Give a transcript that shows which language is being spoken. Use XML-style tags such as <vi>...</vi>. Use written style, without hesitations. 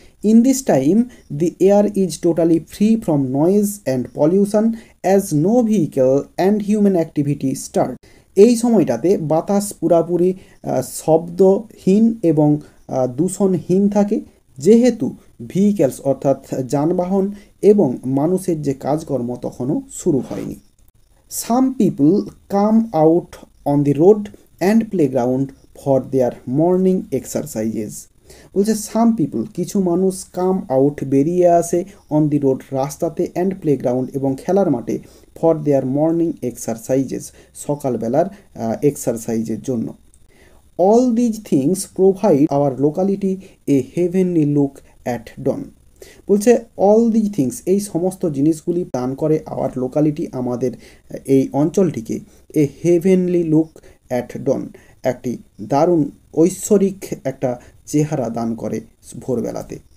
<en>in this time the air is totally free from noise and pollution as no vehicle and human activity start,</en> <bn>এই সময়টাতে বাতাস পুরাপুরি শব্দহীন এবং দূষণহীন থাকে যেহেতু ভেহিকলস অর্থাৎ যানবাহন এবং মানুষের যে কাজকর্ম তখনও শুরু হয়নি।</bn> <en>Some people come out on the road and playground for their morning exercises.</en> <bn>বলছে</bn> <en>some people</en> <bn>কিছু মানুষ</bn> <en>come out</en> <bn>বেরিয়ে আসে</bn> <en>on the road</en> <bn>রাস্তাতে</bn> <en>and playground</en> <bn>এবং খেলার মাঠে</bn> <en>for their morning exercises</en> <bn>সকালবেলার এক্সারসাইজের জন্য</bn> <en>all these things provide our locality a heavenly look at dawn</en> <bn>বলছে</bn> <en>all these things</en> <bn>এই সমস্ত জিনিসগুলি দান করে</bn> <en>our locality</en> <bn>আমাদের এই অঞ্চলটিকে</bn> <en>a heavenly look at dawn</en> <bn>একটি দারুণ ঐশ্বরিক একটা চেহারা দান করে ভোরবেলাতে</bn>